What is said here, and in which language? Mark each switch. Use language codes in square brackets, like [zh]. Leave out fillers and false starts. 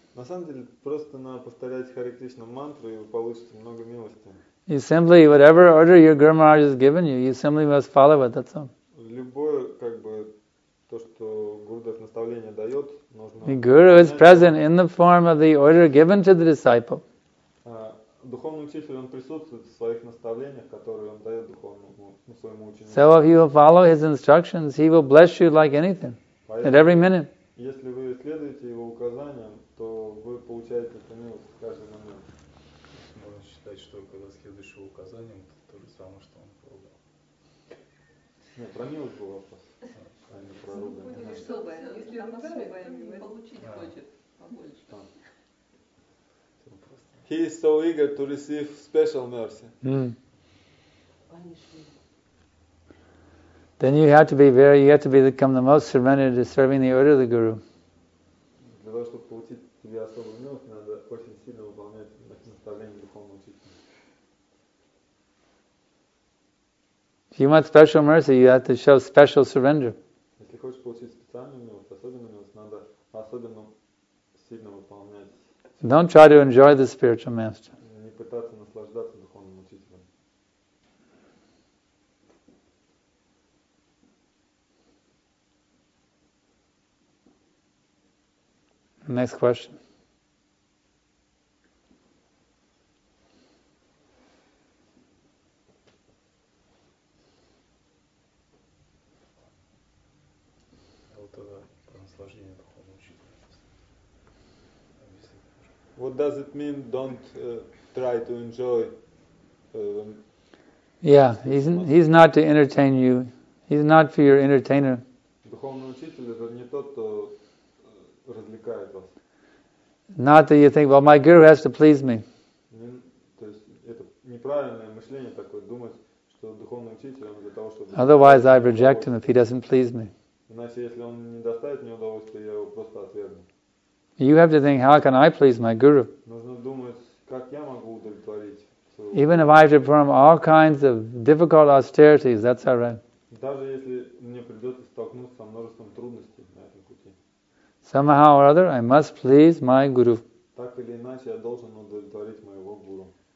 [ru] На самом деле, просто надо повторять Hare Krishna мантру, и вы получите много милости. [en] You simply, whatever order your Guru Maharaj has given you, you simply must follow it, that's all. [ru] Любое, как бы, то, что Гурдев наставление дает, нужно... [en] The Guru is present in the form of the order given to the disciple. [ru] Духовный учитель, он присутствует в своих наставлениях, которые он дает духовному, своему ученику. So if you will follow his instructions, he will bless you like anything, at every minute. Если вы следуете его указаниям, то вы получаете эту милость в каждый момент. Что когда следующее указание, то, то же самое, что он поругал. Нет, про милость был вопрос. А не про ругание. Ну, если он особое, получить хочет побольше. Там. [en] He is so eager to receive special mercy. Then you have to be very, you have to become the most surrendered to serving the order of the Guru. [ru] Для того, чтобы получить тебе особую милость, надо очень сильно выполнять наставление духовного учителя. [en] If you want special mercy, you have to show special surrender. [ru] Если хочешь получить специальную милость, особенную милость, надо особенно сильно выполнять. [en] Don't try to enjoy the spiritual master. [ru] Не пытаться наслаждаться духовным учителем. [en] Next question. What does it mean, don't try to enjoy? Yeah, he's not to entertain you. He's not for your entertainer. [ru] Духовный учитель это не тот, кто развлекает вас. [en] Not that you think, well, my guru has to please me. [ru] То есть это неправильное мышление такое, думать, что духовный учитель он для того, чтобы... [en] Otherwise I reject him if he doesn't please me. [ru] Иначе, если он не доставит мне удовольствия, я его просто отвергну. [en] You have to think, how can I please my guru? [ru] Нужно думать, как я могу удовлетворить своего... [en] Even if I have to perform all kinds of difficult austerities, that's all right. [ru] Даже если мне придется столкнуться со множеством трудностей на этом пути. [en] Somehow or other, I must please my guru. [ru] Так или иначе, я должен удовлетворить моего гуру.